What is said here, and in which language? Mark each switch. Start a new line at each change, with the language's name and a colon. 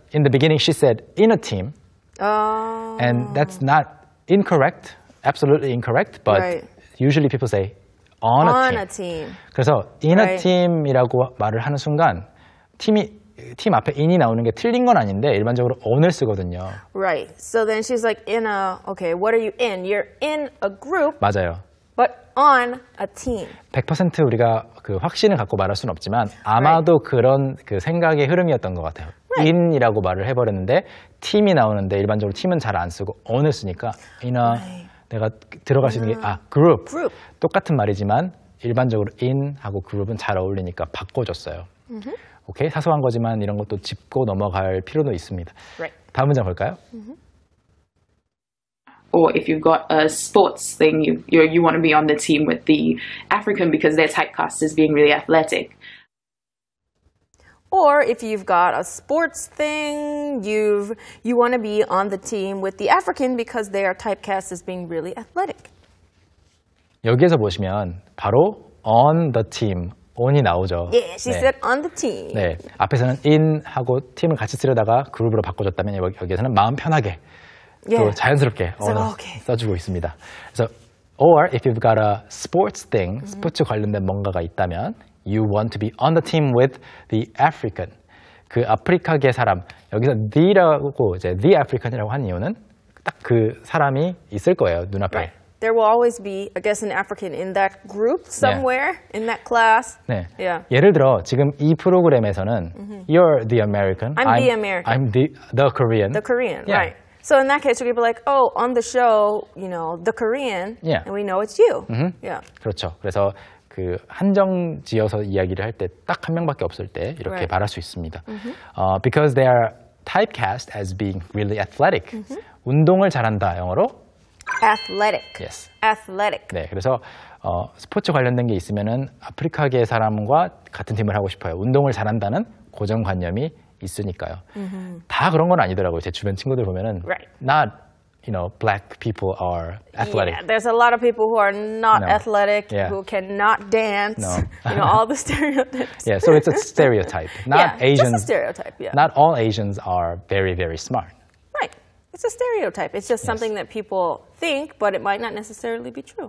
English: In the beginning, she said, in a team. And that's not incorrect, absolutely incorrect, but usually people say, on a team.
Korean: 그래서
English: in a team
Korean: 이라고 말을 하는 순간, 팀 앞에 in이 나오는 게 틀린 건 아닌데, 일반적으로 on을 쓰거든요.
English: Right, so then she's like, in a, okay, what are you in? You're in a group.
Korean: 맞아요.
English: But on a team.
Korean: 100% 우리가 그 확신을 갖고 말할 수는 없지만, 아마도 그런 그 생각의 흐름이었던 것 같아요. In이라고 말을 해버렸는데 팀이 나오는데 일반적으로 팀은 잘 안 쓰고 on을 쓰니까 in a 내가 들어갈 수 있는 게 아 group 똑같은 말이지만 일반적으로 in 하고 group은 잘 어울리니까 바꿔줬어요. 오케이 사소한 거지만 이런 것도 짚고 넘어갈 필요도 있습니다.
English: Right.
Korean: 다음 문장 볼까요?
English: Or if you've got a sports thing, you want to be on the team with the African because their typecast is being really athletic. Or if you've got a sports thing, you want to be on the team with the African because they are typecast as being really athletic.
Korean: 여기에서 보시면 바로
English: on the team,
Korean: on이 나오죠.
English: Yeah, she 네. said on the team.
Korean: 네, 앞에서는 in 하고 팀을 같이 쓰려다가 그룹으로 바꿔줬다면 여기에서는 마음 편하게 yeah. 또 자연스럽게 써주고 있습니다.
English: 그래서 or if you've got a sports thing,
Korean: 스포츠 관련된 뭔가가 있다면.
English: You want to be on the team with the African.
Korean: 그 아프리카계 사람, 여기서 the라고 이제 the African이라고 한 이유는 딱 그 사람이 있을 거예요, 눈앞에.
English: Right. There will always be, I guess, an African in that group somewhere, yeah. in that class.
Korean: 네. Yeah. 예를 들어, 지금 이 프로그램에서는
English: you're the American. I'm the American. I'm the Korean. The Korean, yeah. right. So in that case, we'll be like, oh, on the show, you know, the Korean, yeah. and we know it's you. Mm-hmm. Yeah.
Korean: 그렇죠. 그래서 그 한정지어서 이야기를 할 때 딱 한 명밖에 없을 때 이렇게 right. 말할 수 있습니다.
English: Because they are typecast as being really athletic.
Korean: 운동을 잘한다, 영어로?
English: Athletic. Yes. Athletic.
Korean: 네, 그래서 스포츠 관련된 게 있으면은 아프리카계 사람과 같은 팀을 하고 싶어요. 운동을 잘한다는 고정관념이 있으니까요. 다 그런 건 아니더라고요. 제 주변 친구들 보면은
English: right. not you know, black people are athletic. Yeah, there's a lot of people who are not athletic, who cannot dance, you know, all the stereotypes. Yeah, so it's a stereotype. Not Asians. Just a stereotype, yeah. Not all Asians are very, very smart. Right. It's a stereotype. It's just something that people think, but it might not necessarily be true.